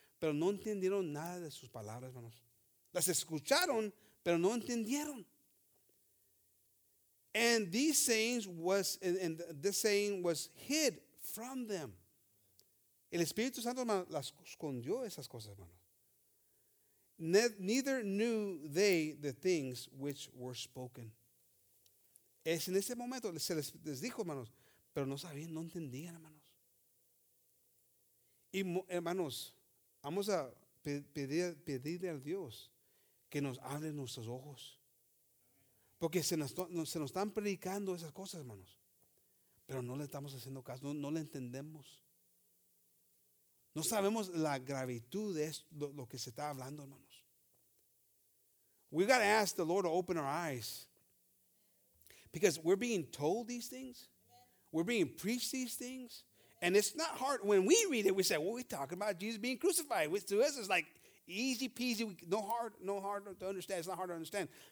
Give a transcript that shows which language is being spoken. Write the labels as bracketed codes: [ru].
[es] Pero no entendieron nada de sus palabras, hermanos. Las escucharon, pero no entendieron. [en] And these sayings was, and this saying was hid from them. [es] El Espíritu Santo, hermano, las escondió esas cosas, hermano. [en] Neither knew they the things which were spoken. [es] Es en ese momento se les dijo, hermanos, pero no sabían, no entendían, hermanos. Y hermanos, vamos a pedirle a Dios que nos abra nuestros ojos. Porque se nos están predicando esas cosas, hermanos. Pero no le estamos haciendo caso, no le entendemos. No sabemos la gravitud de esto, lo que se está hablando, hermanos. [en] We got to ask the Lord to open our eyes. Because we're being told these things. We're being preached these things. And it's not hard. When we read it, we say, well, we're talking about Jesus being crucified. Which to us is like easy peasy. No hard to understand. It's not hard to understand.